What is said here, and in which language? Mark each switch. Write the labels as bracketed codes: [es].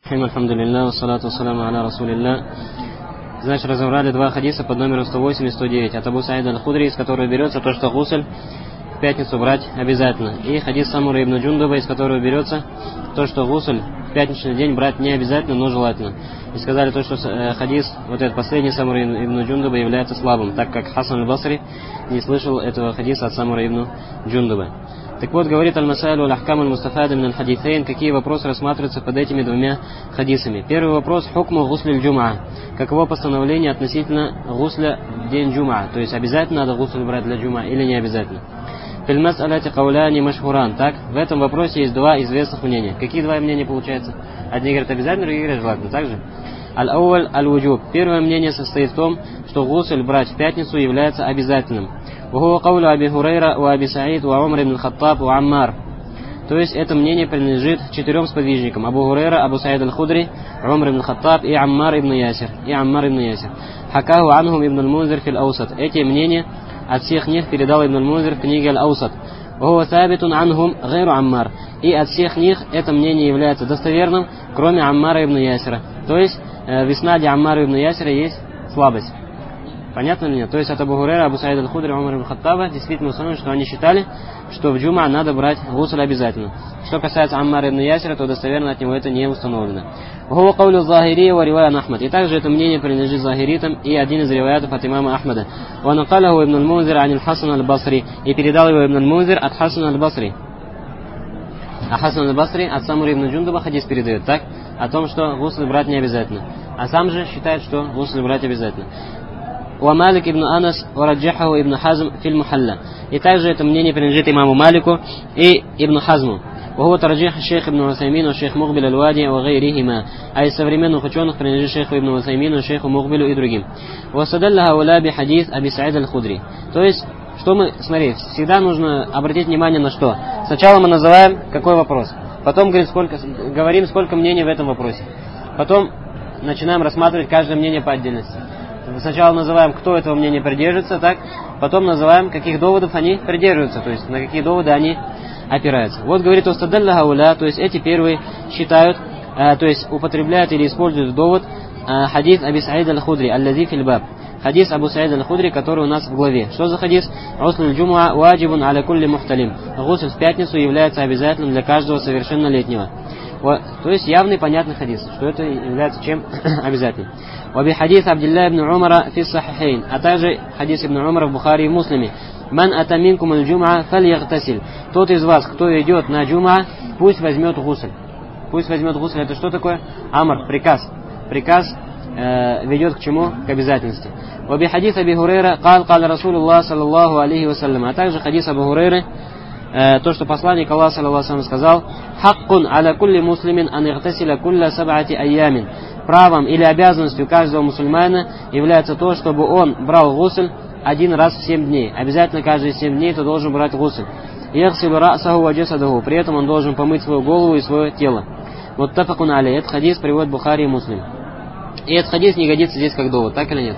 [ar] الحمد لله والصلاة والسلام على رسول الله. [ru] Значит, разобрали два хадиса под номером 108 и 109 от Абу Саида Аль-Худри, из которого берется то, что гусль в пятницу брать обязательно. И хадис Самура ибн Джундуба, из которого берется то, что гусль в пятничный день брать не обязательно, но желательно. И сказали то, что хадис, вот этот последний Самура ибн Джундуба, является слабым, так как Хасан Аль-Басри не слышал этого хадиса от Самура ибн Джундуба. Так вот, говорит Аль-Масайлу Аль-Ахкам Аль-Мустафаду Минан Хадисейн, какие вопросы рассматриваются под этими двумя хадисами. Первый вопрос – хукму гусли джума. Каково постановление относительно гусля в день джума? То есть, обязательно надо гусль брать для джума или не обязательно? [ar] Фильмас аляти кауляни машхуран. [ru] Так, в этом вопросе есть два известных мнения. Какие два мнения получаются? Одни говорят обязательно, другие говорят желательно. Так же? [ar] Аль-Ауаль Аль-Вуджуб. [ru] Первое мнение состоит в том, что гусль брать в пятницу является обязательным. [ar] وهو قول أبي هريرة وأبي سعيد وعمر بن الخطاب وعمار. [ru] То есть это мнение принадлежит четырем сподвижникам: Абу Хурейра, Абу Саид аль-Худри, Умар ибн Хаттаб и Аммар ибн Ясир. [ar] Хакаху анхум ибн аль-Мунзир фи аль-Аусат. [ru] Эти мнения от всех них передал ибн аль-Мунзир в книге аль-Аусат. [ar] وهو ثابت عنهم غير عمار. [ru] И от всех них это мнение является достоверным, кроме Аммара ибн Ясира. То есть в иснаде Аммара ибн Ясира есть слабость. Понятно ли мне? То есть от Абу Хурейра, Абу Саида аль-Худри, Умар ибн Хаттаба действительно установлено, что они считали, что в джума надо брать гусль обязательно. Что касается Аммара ибн Ясира, то достоверно от него это не установлено. [ar] Ва каулю Захирия ва ривая Ахмад. [ru] И также это мнение принадлежит Захиритам и один из риваятов от имама Ахмада. [ar] Ва накалаху ибн аль-Мунзир ан аль-Хасан аль-Басри. [ru] И передал его ибн аль-Мунзир от Хасана аль-Басри. А Хасан аль-Басри от Самури ибн Джундуба хадис передает, так? О том, что гусль брать не обязательно. А сам же считает, что гусль брать обязательно. [ar] ومالك ابن أنس ورجحه ابن حزم في المحلة. [ru] И также это мнение принадлежит имаму Малику и ибн Хазму. [ar] وهو ترجيح الشيخ ابن عثيمين والشيخ مقبل الوادي وغيرهما. [ru] А из современных ученых принадлежит шейх ибн Усаймин, шейх مقبل и другим. [ar] واستدل هؤلاء بحديث أبي سعيد الخدري. [ru] То есть, что мы, смотри, всегда нужно обратить внимание на что. Сначала мы называем какой вопрос. Потом говорим сколько мнений в этом вопросе. Потом начинаем рассматривать каждое мнение по отдельности. Сначала называем, кто этого мнения придерживается, так? Потом называем, каких доводов они придерживаются, то есть на какие доводы они опираются. Вот говорит [ar] «Устадалля хауля», [ru] то есть эти первые считают, то есть употребляют или используют довод «Хадис Аби Саид аль-Худри, [ar] аль-Лази фильбаб». [ru] Хадис Абу Саид аль-Худри, который у нас в главе. Что за хадис? [ar] «Гусль джума ваджибун аля кулли мухталим». [ru] «Гусль в пятницу является обязательным для каждого совершеннолетнего». То есть явный понятный хадис, что это является чем обязательным. [ar] وفي حديث عبد الله بن عمر في الصحيحين أتاجي حديث ابن عمر في البخاري ومسلم من أتى منكم الجمعة فليغتسل. [ru] Тот из вас, кто идет на джума, пусть возьмет гусль. Пусть возьмет гусль. Это что такое? Амр, приказ. Приказ ведет к чему? К обязательности. [ar] وفي حديث أبي هريرة قال رسول الله صلى الله عليه وسلم. [ru] А также хадис Абу Хурейры, то, что посланник Аллаха صلى الله عليه وسلم сказал: [ar] حقٌ على كل مسلم أن يغتسل كل سبعة أيام. [ru] Правом или обязанностью каждого мусульмана является то, чтобы он брал гусль один раз в 7 дней. Обязательно каждые 7 дней ты должен брать гусль. [ar] Ягсилу расаху ва джасадаху. [ru] При этом он должен помыть свою голову и свое тело. [ar] Муттафакун алейхи. [ru] Этот хадис приводит Бухари и Муслим. И этот хадис не годится здесь как довод, так или нет?